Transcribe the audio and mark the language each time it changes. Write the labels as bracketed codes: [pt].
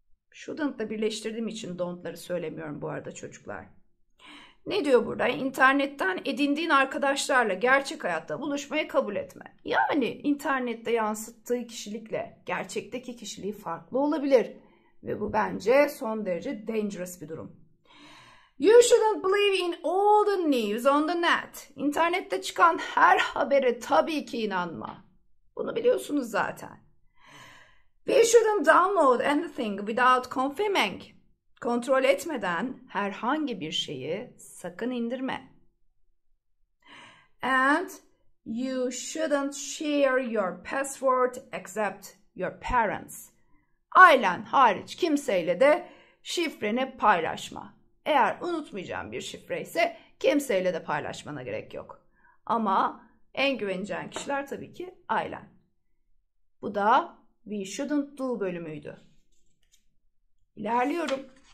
[tr] Shouldn't da birleştirdiğim için don't'ları söylemiyorum bu arada çocuklar. Ne diyor burada? İnternetten edindiğin arkadaşlarla gerçek hayatta buluşmayı kabul etme. Yani internette yansıttığı kişilikle gerçekteki kişiliği farklı olabilir. Ve bu bence son derece dangerous bir durum. [en] You shouldn't believe in all the news on the net. [tr] İnternette çıkan her habere tabii ki inanma. Bunu biliyorsunuz zaten. [en] We shouldn't download anything without confirming. [tr] Kontrol etmeden herhangi bir şeyi sakın indirme. [en] And you shouldn't share your password except your parents. [tr] Ailen hariç kimseyle de şifreni paylaşma. Eğer unutmayacağın bir şifre ise kimseyle de paylaşmana gerek yok. Ama en güveneceğin kişiler tabii ki ailen. Bu da We Shouldn't Do bölümüydü. İlerliyorum.